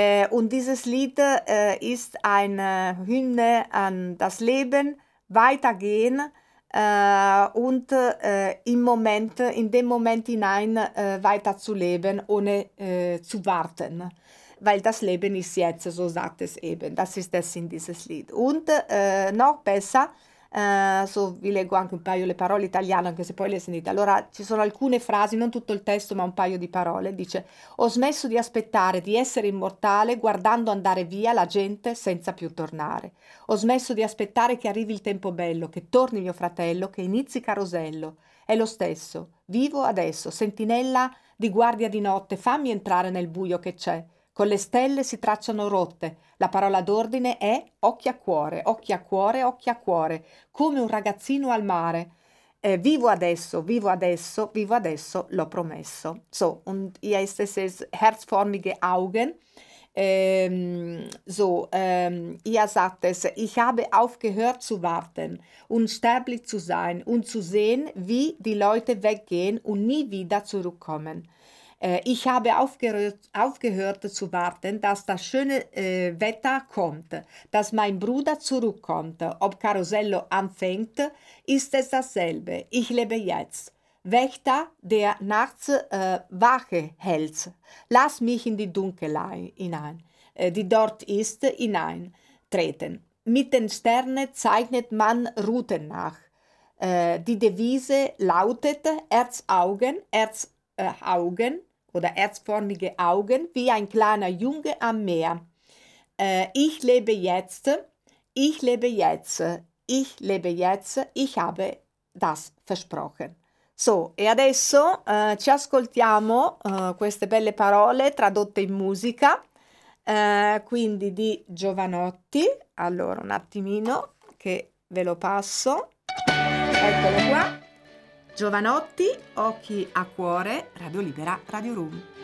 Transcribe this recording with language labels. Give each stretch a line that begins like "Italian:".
German: Und dieses Lied ist eine Hymne an das Leben, weitergehen, und im Moment, in dem Moment hinein weiter zu leben, ohne zu warten, weil das Leben ist jetzt, so sagt es eben, das ist der Sinn dieses Lied. Und noch besser,
Italian: so vi leggo anche un paio le parole italiane, anche se poi le sentite. Allora, ci sono alcune frasi, non tutto il testo, ma un paio di parole. Dice: ho smesso di aspettare di essere immortale guardando andare via la gente senza più tornare. Ho smesso di aspettare che arrivi il tempo bello, che torni mio fratello, che inizi carosello. È lo stesso, vivo adesso, sentinella di guardia di notte, fammi entrare nel buio che c'è. Con le stelle si tracciano rotte. La parola d'ordine è occhi a cuore, occhi a cuore, occhi a cuore, come un ragazzino al mare. Vivo adesso, vivo adesso, vivo adesso, l'ho promesso.
German: So, und jetzt ist es herzförmige Augen. Ihr sagt es, ich habe aufgehört zu warten, unsterblich zu sein und zu sehen, wie die Leute weggehen und nie wieder zurückkommen. Ich habe aufgehört zu warten, dass das schöne Wetter kommt, dass mein Bruder zurückkommt. Ob Karussello anfängt, ist es dasselbe. Ich lebe jetzt. Wächter, der nachts Wache hält, lass mich in die Dunkelheit hinein. di Dort ist hineintreten. Mit den Sternen zeichnet man Routen nach. Die Devise lautet Erzaugen, Erzaugen oder erzförmige Augen wie ein kleiner Junge am Meer. Ich lebe jetzt, ich lebe jetzt, ich lebe jetzt, ich habe das versprochen.
Italian: So, e adesso ci ascoltiamo queste belle parole tradotte in musica. Quindi di Jovanotti. Allora, un attimino che ve lo passo. Eccolo qua. Jovanotti, Occhi a cuore, Radio Libera, Radio Room.